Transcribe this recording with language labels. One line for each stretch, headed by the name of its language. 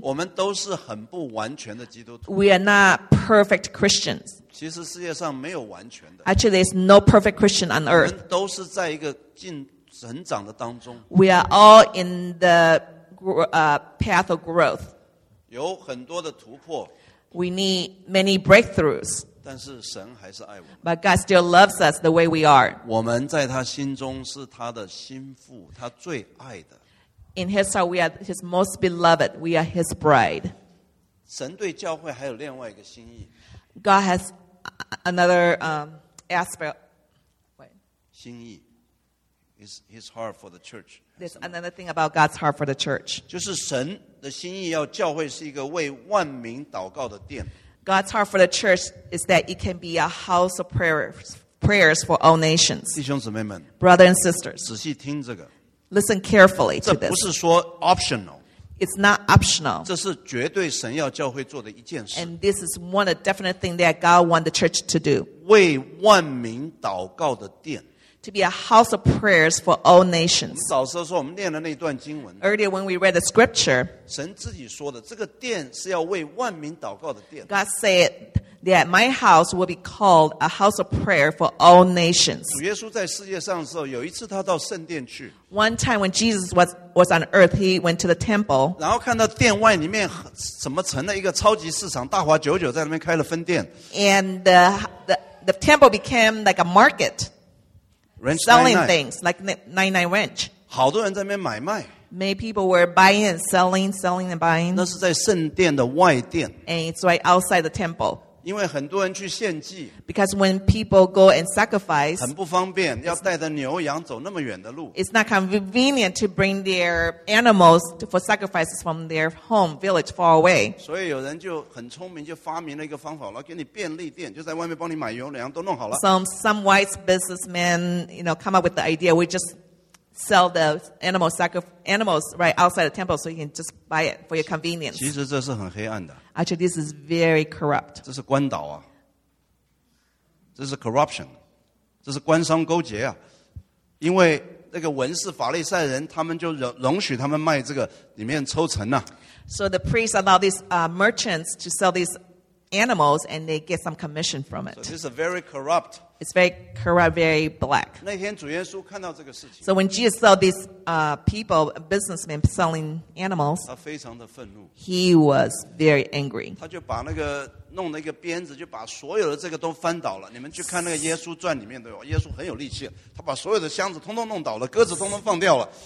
Chinese: 我们都是很不完全的基督徒。
English: We are not perfect Christians.
Chinese: 其实世界上没有完全的。
English: Actually, there's no perfect Christian on earth.
Chinese: 我们都是在一个进成长的当中。
English: We are all in the path of growth.
Chinese: 有很多的突破。
English: We need many breakthroughs.
Chinese: 但是神还是爱我们。
English: But God still loves us the way we are.
Chinese: 我们在他心中是他的心腹，他最爱的。
English: In his heart, we are his most beloved. We are his bride.
Chinese: 神对教会还有另外一个心意。
English: God has another aspect. Wait. 心意 is his heart for the church. There's another thing about God's heart for the church.
Chinese: 就是神的心意要教会是一个为万民祷告的殿。
English: God's heart for the church is that it can be a house of prayers for all nations.
Chinese: 弟兄姊妹们。
English: Brothers and sisters.
Chinese: 仔细听这个。
English: Listen carefully to this.
Chinese: 这不是说 optional.
English: It's not optional.
Chinese: 这是绝对神要教会做的一件事。
English: And this is one of the definite thing that God want the church to do.
Chinese: 为万民祷告的殿。
English: To be a house of prayers for all nations.
Chinese: 我们早上说我们念了那段经文。
English: Earlier when we read the scripture.
Chinese: 神自己说的，这个殿是要为万民祷告的殿。
English: God said that my house will be called a house of prayer for all nations.
Chinese: 主耶稣在世界上的时候，有一次他到圣殿去。
English: One time when Jesus was on earth, he went to the temple.
Chinese: 然后看到殿外里面怎么成了一个超级市场，大华九九在那边开了分店。
English: And the temple became like a market. Ranch selling 99. things like 99 Ranch.
Chinese: 好多人在那边买卖。
English: Many people were buying and selling and buying.
Chinese: 那是在圣殿的外殿。
English: And it's right outside the temple.
Chinese: 因为很多人去献祭
English: Because when people go and sacrifice
Chinese: 很不方便要带着牛羊走那么远的路
English: It's not convenient to bring their animals for sacrifices from their home village far away
Chinese: 所以有人就很聪明就发明了一个方法给你便利店就在外面帮你买牛羊都弄好了
English: Some wise businessmen you know, come up with the idea we justsell the animals right outside the temple so you can just buy it for your convenience.
Chinese: 其实这是很黑暗的。
English: Actually, this is very corrupt.
Chinese: 这是官倒啊。这是 corruption. 这是官商勾结啊。因为那个文士法利赛人他们就容许他们卖这个里面抽成啊。
English: So the priests allow these merchants to sell these animals and they get some commission from it. So this is a very corrupt It's very corrupt, very black.
Chinese: 那天主耶稣看到这个事情。
English: So when Jesus saw these people, businessmen selling animals,
Chinese: 他非常的愤怒。
English: He was very angry.
Chinese: 他就把那个弄了一个鞭子，就把所有的这个都翻倒了。你们去看那个耶稣传里面都有，耶稣很有力气，他把所有的箱子通通弄倒了，鸽子通通放掉了。